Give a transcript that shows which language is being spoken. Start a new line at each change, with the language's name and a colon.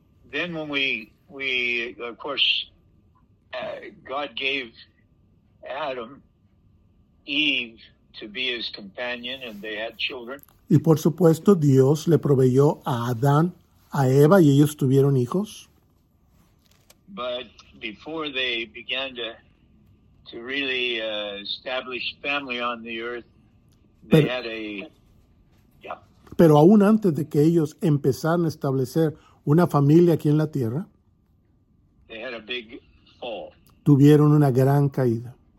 English: Then when we of course God gave Adam Eve to be his companion and they had children.
Spanish: Y por supuesto Dios le proveyó a Adán, a Eva y ellos tuvieron hijos.
English: But before they began to really establish family on the earth, they had a
Spanish: Pero aún antes de que ellos empezaran a establecer una familia aquí en la tierra,
English: they had a big fall.
Spanish: Tuvieron una gran caída.